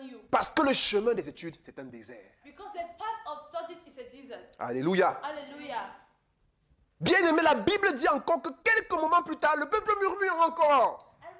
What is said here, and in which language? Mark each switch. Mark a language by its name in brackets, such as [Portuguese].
[French] Parce que le chemin des études, c'est un désert. [English] Because the path of studies is a desert. Alléluia. Alléluia. [French] Bien aimé, la Bible dit encore que quelques moments plus tard, le peuple murmure encore.